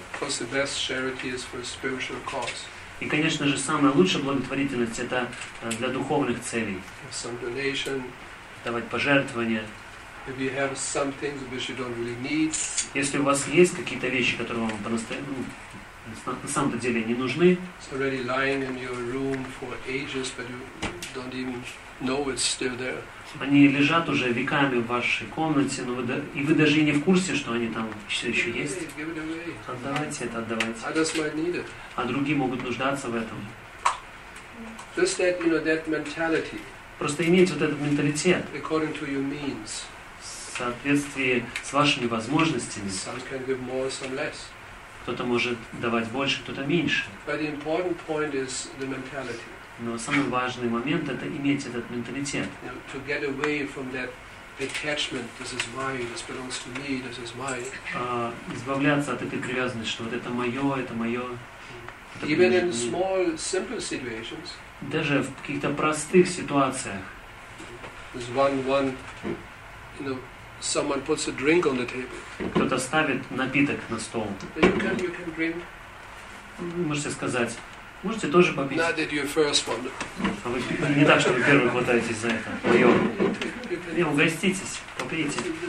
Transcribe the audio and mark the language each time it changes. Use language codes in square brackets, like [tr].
[en] Of course, the best charity is for spiritual cause. [ru] И, конечно же, самая лучшая благотворительность это для духовных целей. [en] Some donation. [ru] Давать пожертвования. [en] If you have some things which you don't really need. [ru] Если у вас есть какие-то вещи, которые вам по-настоящему на самом-то деле не нужны. [en] It's already lying in your room for ages, but you don't even know it's still there. [ru] Они лежат уже веками в вашей комнате, но вы и вы даже и не в курсе, что они там все еще есть. Отдавайте это, отдавайте. [en] Others might need it. [ru] А другие могут нуждаться в этом. [en] Just that, you know, that mentality. [ru] Просто иметь вот этот менталитет. [en] According to your means. [ru] В соответствии с вашими возможностями. [en] Some can give more, some less. [ru] Кто-то может давать больше, кто-то меньше. [en] But the important point is the mentality. [ru] Но самый важный момент – это иметь этот менталитет. [en] You know, to get away from that attachment, this is mine, this belongs to me, this is mine. [ru] Избавляться от этой привязанности, что вот это мое, это мое. [en] Even in small, simple situations. [ru] Даже в каких-то простых ситуациях. [en] There's one, you know, someone puts a drink on the table. [ru] Кто-то ставит напиток на стол. [en] You can drink. [ru] Можете сказать, можете тоже попить. [en] Not that you're first one. [ru] А вы, не так, что вы первый хватаетесь за это. Мое. Не, угоститесь, попейте.